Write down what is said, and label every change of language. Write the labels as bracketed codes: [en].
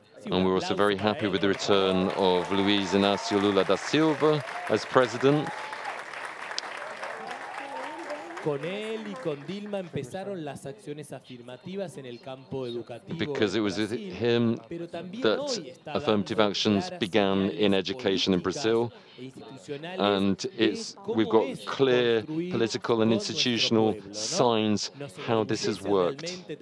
[en] And we're also very happy with the return of Luiz Inácio Lula da Silva as president. [es] con él y con Dilma empezaron las acciones afirmativas en el campo educativo. [en] Because it was with him that affirmative actions began in education in Brazil, and it's, we've got clear political and institutional signs how this has worked.